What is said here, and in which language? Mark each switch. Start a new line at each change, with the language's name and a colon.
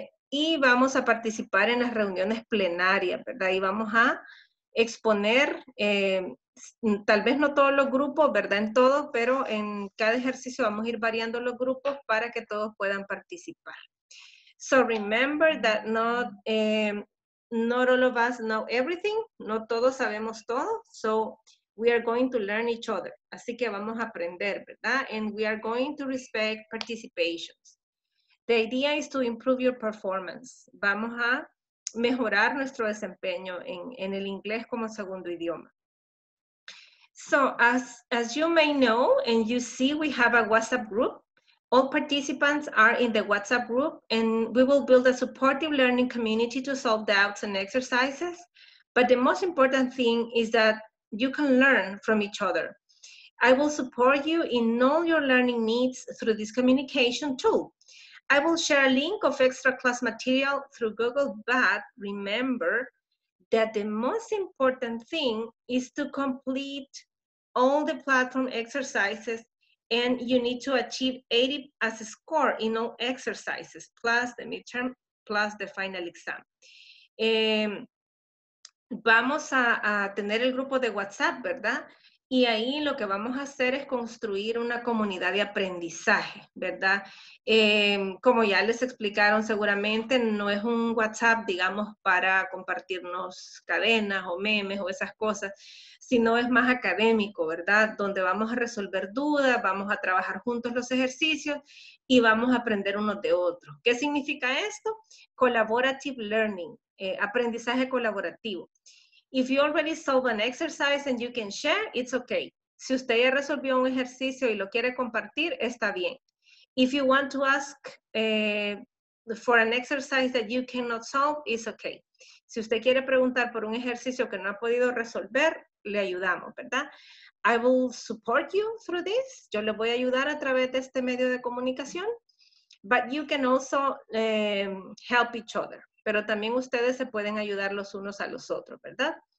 Spanish: Y vamos a participar en las reuniones plenarias, ¿verdad? Y vamos a exponer, tal vez no todos los grupos, ¿verdad? En todos, pero en cada ejercicio vamos a ir variando los grupos para que todos puedan participar.
English: So remember that not all of us know everything.
Spanish: No todos sabemos todo.
English: So we are going to learn each other.
Spanish: Así que vamos a aprender, ¿verdad?
English: And we are going to respect participations. The idea is to improve your performance.
Spanish: Vamos a mejorar nuestro desempeño en el inglés como segundo idioma.
English: So as you may know, and you see, we have a WhatsApp group. All participants are in the WhatsApp group, and we will build a supportive learning community to solve doubts and exercises. But the most important thing is that you can learn from each other. I will support you in all your learning needs through this communication tool. I will share a link of extra class material through Google, but remember that the most important thing is to complete all the platform exercises, and you need to achieve 80 as a score in all exercises, plus the midterm, plus the final exam.
Spanish: Vamos a tener el grupo de WhatsApp, ¿verdad? Y ahí lo que vamos a hacer es construir una comunidad de aprendizaje, ¿verdad? Como ya les explicaron, seguramente no es un WhatsApp, digamos, para compartirnos cadenas o memes o esas cosas, sino es más académico, ¿verdad? Donde vamos a resolver dudas, vamos a trabajar juntos los ejercicios y vamos a aprender unos de otros. ¿Qué significa esto? Collaborative learning, aprendizaje colaborativo.
English: If you already solve an exercise and you can share, it's okay.
Spanish: Si usted ya resolvió un ejercicio y lo quiere compartir, está bien.
English: If you want to ask for an exercise that you cannot solve, it's okay.
Spanish: Si usted quiere preguntar por un ejercicio que no ha podido resolver, le ayudamos, ¿verdad?
English: I will support you through this.
Spanish: Yo le voy a ayudar a través de este medio de comunicación.
English: But you can also help each other.
Spanish: Pero también ustedes se pueden ayudar los unos a los otros, ¿verdad?